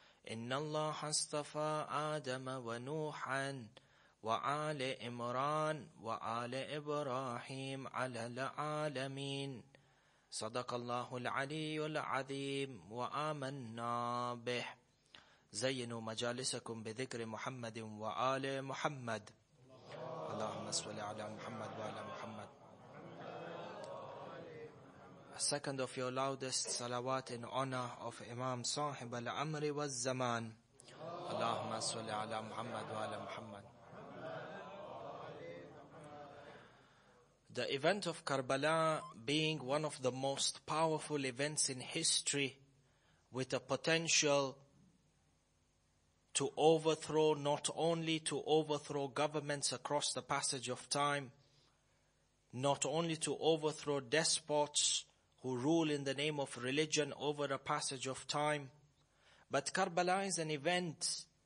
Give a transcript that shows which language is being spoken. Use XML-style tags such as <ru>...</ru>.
<ar>إن الله اصطفى آدم ونوحا وآل عمران وآل إبراهيم على العالمين صدق الله العلي العظيم وآمنا به زينوا مجالسكم بذكر محمد وآل محمد اللهم صل على محمد وعلى محمد.</ar> <en>A second of your loudest salawat in honor of Imam Sahib al-Amri wal-Zaman.</en> <ar>اللهم صل على محمد وعلى محمد.</ar> <en>The event of Karbala being one of the most powerful events in history with a potential to overthrow, not only to overthrow governments across the passage of time, not only to overthrow despots who rule in the name of religion over a passage of time, but Karbala is an event</en>